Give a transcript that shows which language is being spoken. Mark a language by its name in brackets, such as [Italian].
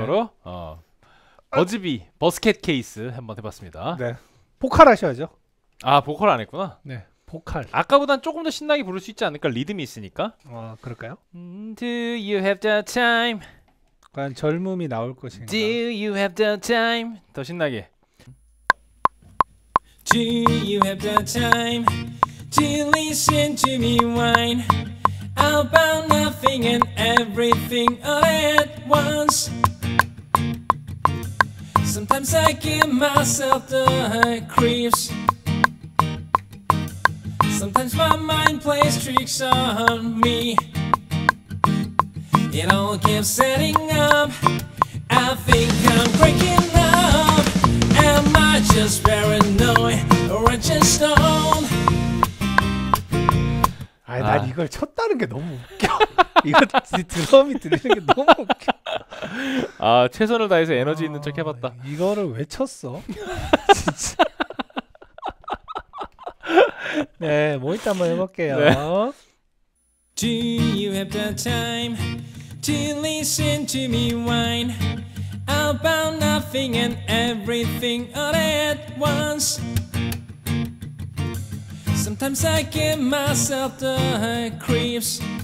[Korean] 바로 버즈비 버스켓 케이스 한번 해봤습니다. 네 보컬 하셔야죠. 아 보컬 안 했구나. 네 보컬. 아까보단 조금 더 신나게 부를 수 있지 않을까? 리듬이 있으니까. 아 그럴까요? [English] Do you have the time? [Korean] 과연 젊음이 나올 것인가? [English] Do you have the time? [Korean] 더 신나게. [English] Do you have the time to listen to me whine about nothing and everything all at once? Sometimes I give myself the creeps. Sometimes my mind plays tricks on me. It all keeps setting up. I think I'm breaking up. Am I just paranoid or I just don't? [Korean] 아니, 난 아. 이걸 쳤다는 게 너무 웃겨. 이거 드럼이 들리는 게 너무 웃겨. 아 최선을 다해서 에너지 있는 척 해봤다. 이거를 왜 쳤어? 진짜. 네, 뭐 이따 한번 해볼게요. 네. [English] Do you have the time to listen to me whine about nothing and everything all at once? Sometimes I give myself the creeps.